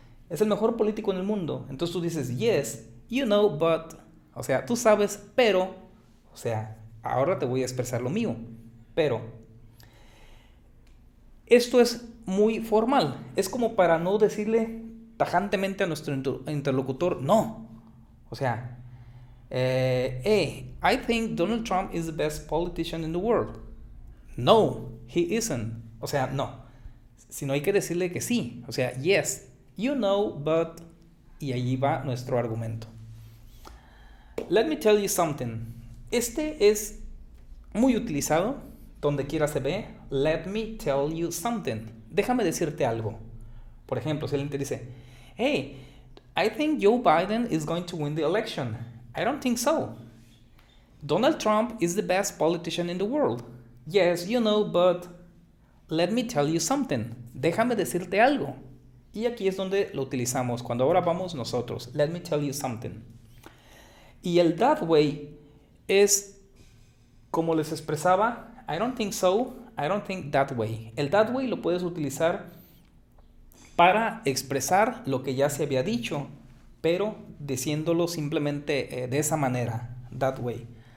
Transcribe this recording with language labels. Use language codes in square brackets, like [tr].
[es] Es el mejor político en el mundo. Entonces tú dices, [en] yes, you know, but, [es] o sea, tú sabes, pero, o sea, ahora te voy a expresar lo mío, pero. Esto es muy formal, es como para no decirle tajantemente a nuestro interlocutor, no. O sea, [en] I think Donald Trump is the best politician in the world. No, he isn't. [es] O sea, no. Sino hay que decirle que sí. O sea, [en] yes, you know, but. [es] Y allí va nuestro argumento. [en] Let me tell you something. [es] Este es muy utilizado, donde quiera se ve. [en] Let me tell you something. [es] Déjame decirte algo. Por ejemplo, si alguien te dice, hey, [en] I think Joe Biden is going to win the election. I don't think so. Donald Trump is the best politician in the world. Yes, you know, but let me tell you something. [es] Déjame decirte algo. Y aquí es donde lo utilizamos cuando ahora vamos nosotros. [en] Let me tell you something. [es] Y el [en] that way [es] es como les expresaba, [en] I don't think so, I don't think that way. [es] El [en] that way [es] lo puedes utilizar para expresar lo que ya se había dicho, pero diciéndolo simplemente de esa manera, that way.